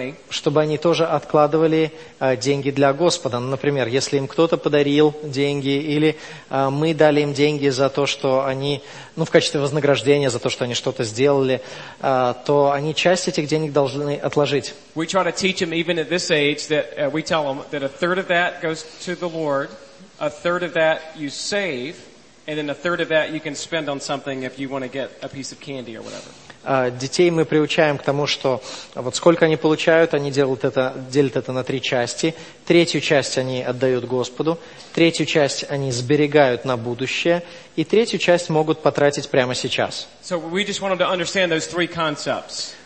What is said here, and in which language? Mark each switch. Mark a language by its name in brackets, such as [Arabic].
[Russian] чтобы они тоже откладывали деньги для Господа. Например, если им кто-то подарил деньги, или мы дали им деньги за то, что они, ну, в качестве вознаграждения за то, что они что-то сделали, то они часть этих денег должны отложить. [English] We try to teach them even at this age that we tell them that a third of that goes to the Lord, a third of that you save, and then a third of that you can spend on something if you want to get a piece of candy or whatever. [Russian] Детей мы приучаем к тому, что вот сколько они получают, они делят это на три части. Третью часть они отдают Господу, третью часть они сберегают на будущее, и третью часть могут потратить прямо сейчас. [English] So we just wanted to understand those three concepts.